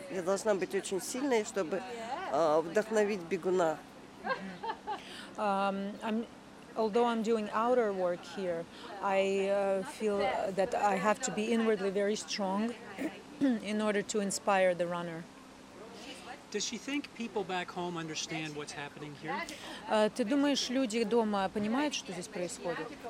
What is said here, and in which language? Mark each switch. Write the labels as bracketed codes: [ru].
[ru] Я должна быть очень сильной, чтобы вдохновить бегуна. [en] Although I'm doing outer work here, I feel that I have to be inwardly very strong in order to inspire the runner. Does she think people back home understand what's happening here? [ru] Ты думаешь, люди дома понимают, что здесь происходит?